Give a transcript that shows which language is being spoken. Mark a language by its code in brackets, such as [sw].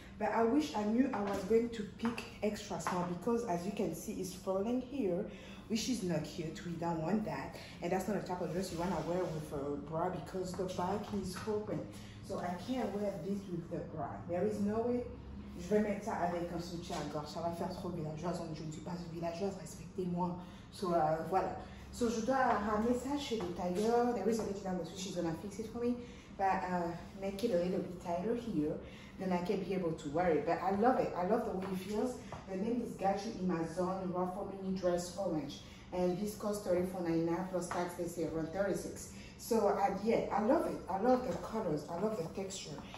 [en] But I wish I knew I was going to pick extra small, because as you can see, it's falling here, which is not cute. We don't want that. And that's not a type of dress you want to wear with a bra, because the back is open. So I can't wear this with the bra. There is no way [fr] je vais mettre ça avec un soutien à gorge. Ça va faire trop villageoise. Donc, je ne suis pas une villageoise. Respectez-moi. So, voilà. So, je dois ramener ça chez le tailleur. [en] There is a little bit of switch. She's going to fix it for me. But make it a little bit tighter here. Then I can be able to wear it. But I love it. I love the way it feels. The name is Gachu Imazon Rough for Mini Dress Orange. And this costs $34.99 plus tax. They say around $36. So, yeah, I love it. I love the colors. I love the texture.